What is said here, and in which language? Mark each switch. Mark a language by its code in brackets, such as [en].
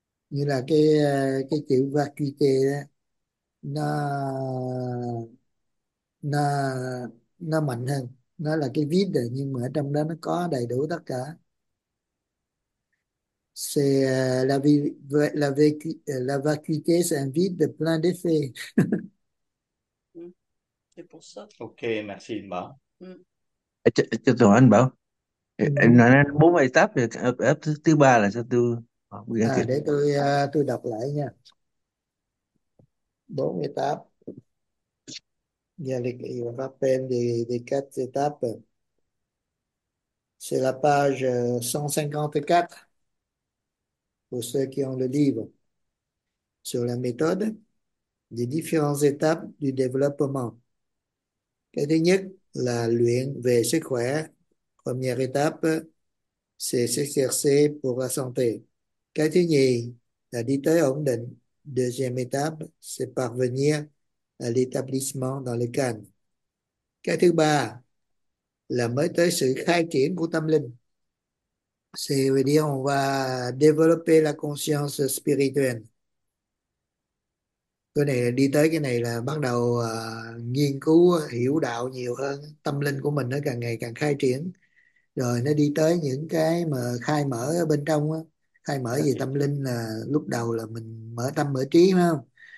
[vi] Như là cái chữ vacuité nó mạnh hơn, nó là cái vide, nhưng mà ở trong đó nó có đầy đủ tất cả. [fr] C'est la vacuité, c'est un vide plein d'effets. C'est pour ça. Ok, merci, Mba. [vi] Cho anh bảo. Anh nói bốn bài tập thì thứ ba là sao tôi không biết À, kịp. để tôi đọc lại nha. [fr] 48. Il y a les quatre étapes. C'est la page 154 pour ceux qui ont le livre sur la méthode des différentes étapes du développement. [vi] Cái thứ nhất là luyện về sức khỏe. [fr] Première étape, c'est s'exercer pour la santé. [vi] Cái thứ nhì là đi tới ổn định. [fr] Deuxième étape, c'est parvenir à l'établissement dans le calme. [vi] Cái thứ ba là mới tới sự khai triển của tâm linh. [fr] C'est-à-dire on va développer la conscience spirituelle. [vi] Cái này đi tới cái này là bắt đầu nghiên cứu hiểu đạo nhiều hơn, tâm linh của mình nó càng ngày càng khai triển. Rồi nó đi tới những cái mà khai mở ở bên trong á. Khai mở về tâm linh là lúc đầu là mình mở tâm mở trí, phải không?